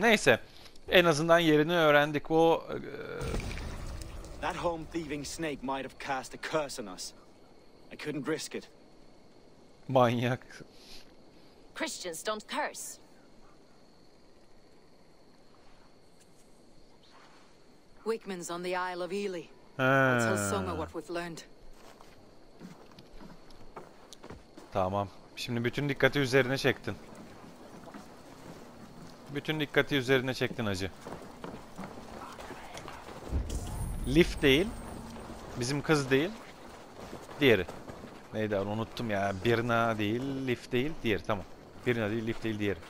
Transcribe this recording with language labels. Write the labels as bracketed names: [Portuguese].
[Turkish] Neyse, en azından yerini öğrendik. O... [English] That home thieving snake might have cast a curse on us. I couldn't risk it. [Turkish] Manyak. [English] Christians don't curse. Wickman's on the Isle of Ely. I'll tell Soma what we've learned. [Turkish] Tamam. Şimdi bütün dikkati üzerine çektin. Bütün dikkati üzerine çektin acı. Lif değil, bizim kız değil, diğeri. Neydi onu unuttum ya, Birna değil, Lif değil, diğeri, tamam. Birna değil, Lif değil, diğeri.